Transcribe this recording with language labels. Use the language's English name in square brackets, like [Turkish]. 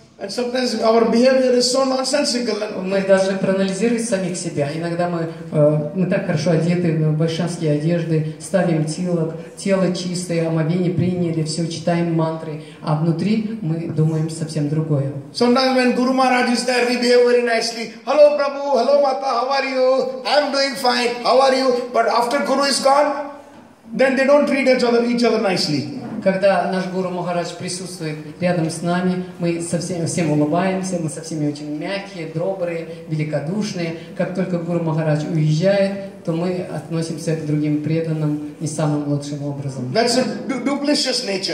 [English] And sometimes our behavior is so nonsensical. [Russian] Мы должны проанализировать самих себя. Иногда мы так хорошо одеты, в вайшнавские одежды, ставим тилак, тело чистое, омовение приняли, все, читаем мантры. А внутри мы думаем совсем другое. [English] Sometimes when Guru Maharaj is there, we behave very nicely. Hello, Prabhu. Hello, Mata. How are you? I'm doing fine. How are you? But after Guru is gone, then they don't treat each other nicely. [Russian] Когда наш Гуру Махарадж присутствует рядом с нами, мы со всеми всем улыбаемся, мы со всеми очень мягкие, добрые, великодушные. Как только Гуру Махарадж уезжает, то мы относимся к другим преданным не самым лучшим образом. [English] That's a duplicitous nature.